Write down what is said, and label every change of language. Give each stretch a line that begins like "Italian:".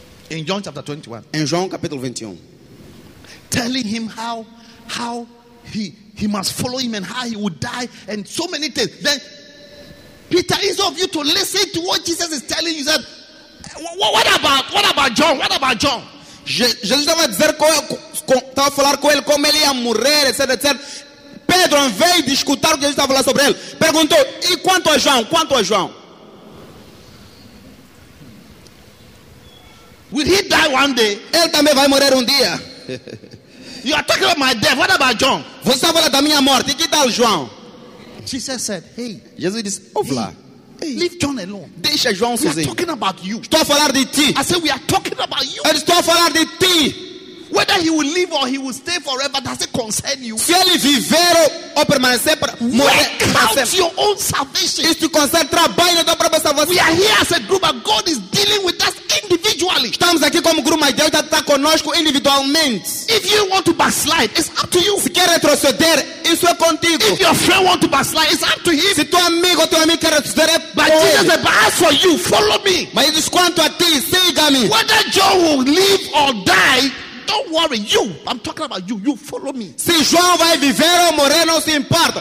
English: In John chapter 21.
Portuguese: Em João capítulo 21.
English: Telling him how he must follow him and how he would die and so many things. Then Peter, is of you to listen to what Jesus is telling you. Said, what about John? What about John?
Portuguese: Jesus estava a dizer estava a falar com ele como ele ia morrer, etc. Pedro, em vez de escutar o que Jesus estava a falar sobre ele, perguntou: e quanto a João? Quanto a João?
English: Will he die one day?
Portuguese: Ele também vai morrer dia.
English: You are talking about my death. What about John?
Portuguese: Você está a falar da minha morte. E que tal João?
English: Jesus said, hey.
Portuguese: Jesus disse, ouve lá.
English: Hey, leave John alone.
Portuguese: Deixa João sozinho.
English: We are talking about you.
Portuguese: Estou a falar de ti.
English: I said, we are talking about you.
Portuguese: Eu estou a falar de ti.
English: Whether he will live or he will stay forever, does it concern you?
Portuguese: Se ele viver ou permanecer para morrer,
English: work out your own salvation.
Portuguese: Isso concerne trabalho na tua própria salvação.
English: We are here as a group, but God is dealing with us individually.
Portuguese: Estamos aqui como grupo, mas Deus está conosco individualmente.
English: If you want to backslide, it's up to you.
Portuguese: Se quer retroceder, isso é contigo.
English: If your friend want to backslide, it's up to him.
Portuguese: Se teu amigo ou teu amigo quer retroceder, é
English: but Jesus
Portuguese: ele.
English: Said, but as for you, follow me.
Portuguese: Mas ele diz, quanto a ti, siga-me.
English: Whether John will live or die. Don't worry, you. I'm talking about you. You follow me.
Portuguese: Se João vai viver ou morrer, não se importa.